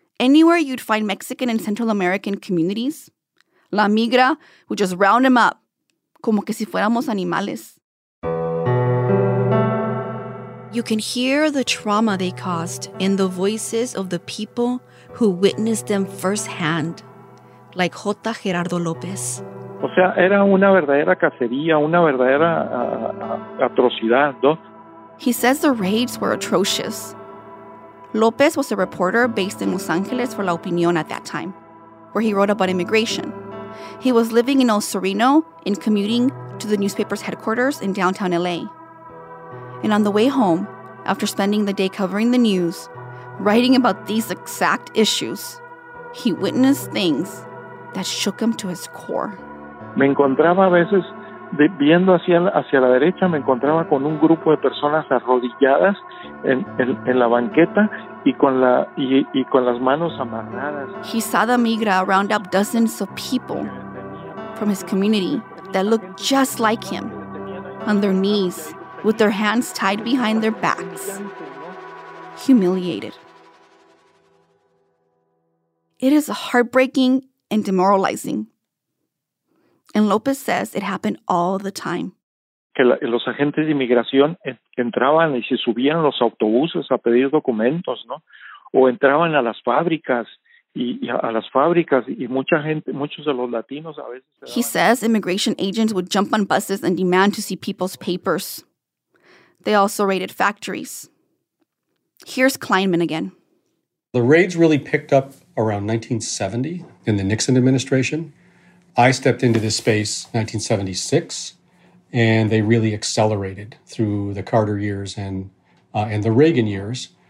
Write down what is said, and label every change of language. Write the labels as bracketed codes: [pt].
[en] Anywhere you'd find Mexican and Central American communities, La Migra would just round them up, [es] como que si fuéramos animales. [en] You can hear the trauma they caused in the voices of the people who witnessed them firsthand, like Jota Gerardo López. [es] O sea, era una verdadera cacería, una verdadera atrocidad, ¿no? [en] He says the raids were atrocious. López was a reporter based in Los Angeles for La Opinión at that time, where he wrote about immigration. He was living in El Sereno and commuting to the newspaper's headquarters in downtown L.A. And on the way home, after spending the day covering the news, writing about these exact issues, he witnessed things that shook him to his core. [es] Me encontraba a veces, viendo hacia la derecha, me encontraba con un grupo de personas arrodilladas en la banqueta y con las manos amarradas. [en] He saw the Migra round up dozens of people from his community that looked just like him, on their knees, with their hands tied behind their backs, humiliated. It is heartbreaking and demoralizing. And López says it happened all the time. [es] Que los agentes de inmigración entraban y se subían los autobuses a pedir documentos, ¿no? O entraban a las fábricas y mucha gente, muchos de los latinos a veces. [en] He says immigration agents would jump on buses and demand to see people's papers. They also raided factories. Here's Kleinman again. The raids really picked up around 1970 in the Nixon administration. I stepped into this space 1976, and they really accelerated through the Carter years and the Reagan years.